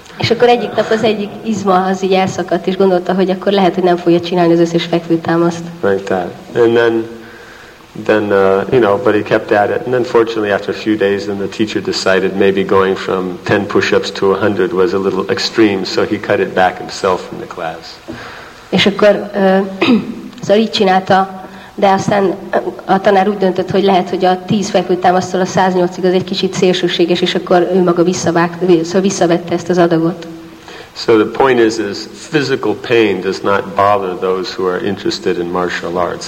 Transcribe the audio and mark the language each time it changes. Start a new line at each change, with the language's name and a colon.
Hungarian: És akkor egyik nap az egyik izma az így elszakadt, és gondolta, hogy akkor lehet, hogy nem fogja csinálni az összes fekvőtámaszt.
English: Like that. And then, you know, but he kept at it. And then fortunately after a few days then the teacher decided maybe going from 10 push-ups to 100 was a little extreme, so he cut it back himself from the class.
Hungarian: És akkor szóval így csinálta, de aztán a tanár úgy döntött, hogy lehet, hogy a 10 fekvőtámasztól a 108-ig az egy kicsit szélsőséges, és akkor ő maga visszavette ezt az adagot.
English: So the point is physical pain does not bother those who are interested in martial arts.